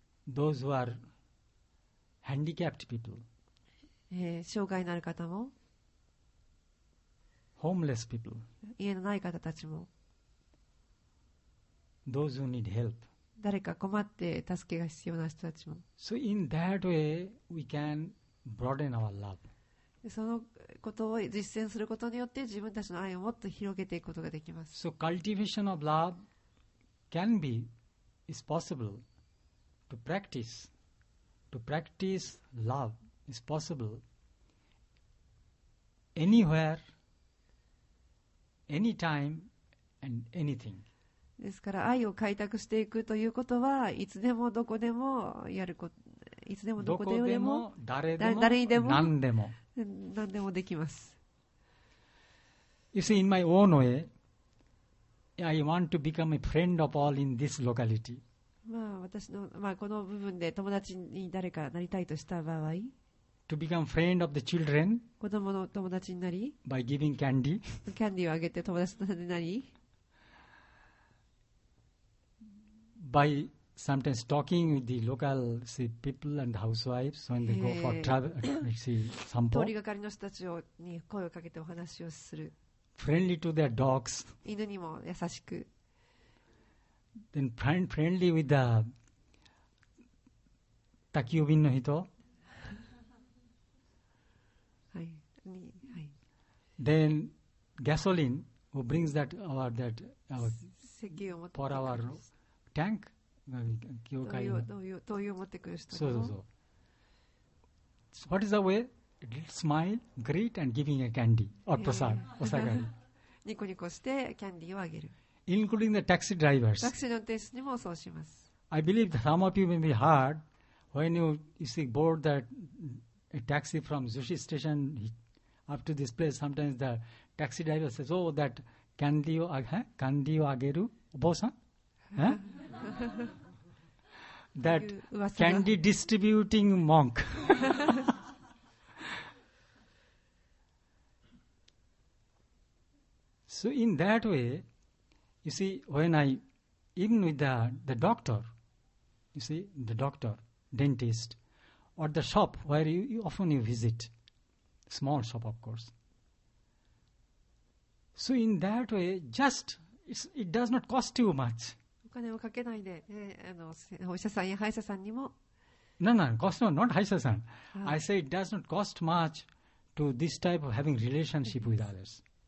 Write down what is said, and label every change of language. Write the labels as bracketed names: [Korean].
[English] Those who are handicapped people. [Japanese] 障害のある方も、 [English] homeless people. [Japanese] 家のない方たちも、 [English] those who need help. [Japanese] 誰か困って助けが必要な人たちも。 [English] So in that way, we can broaden our love. [Japanese] そのことを実践することによって、自分たちの愛をもっと広げていくことができます。 [English] So cultivation of love can be, is possible. To practice love is possible anywhere, anytime, and anything. [Japanese] ですから愛を開拓していくということはいつでもどこでもやること、いつでもどこでも、どこでも誰でも、誰にでも、何でも、何でもできます。 [English] You see, in my own way, I want to become a friend of all in this locality. [Japanese] まあ私のまあ、この部分で友達に誰かなりたいとした場合、 [English] to become friend of the children, [Japanese] 子供の友達になり、 [English] by giving candy, [Japanese] キャンディーをあげて友達になり、 [English] by sometimes talking with the local people and housewives when they go for travel, see, 散歩、 [Japanese] 通りがかりの人たちに声をかけてお話をする、 [English] friendly to their dogs, [Japanese] 犬にも優しく。 [English] Then friendly with the [Japanese] 宅急便の人、はい、はい。 [English] Then gasoline who brings that our that our [Japanese] 石油を持って [English] for our tank [Japanese] 教会の灯油を持ってくる人、そうそうそう。 [English] So、what is the way? Smile, greet, and giving a candy or prasad, お下がり。 [Japanese] ニコニコしてキャンディーをあげる。 [English] Including the taxi drivers. [Japanese] タクシーの運転手にもそうします。 [English] I believe that some of you may be hard when you see board that a taxi from Zushi station up to this place. Sometimes the taxi driver says, "Oh, that candy [Japanese] o ageru, obosan." [English] That candy distributing monk. So in that way. You see, when I, even with the doctor, you see, the doctor, dentist, or the shop where you often visit, small shop, of course. So in that way, just, it does not cost you much. [Japanese] お金をかけないで、お医者さんや歯医者さんにも。 [English] No, cost no, not [Japanese] 歯医者さん。 [English] I say it does not cost much to this type of having relationship with others.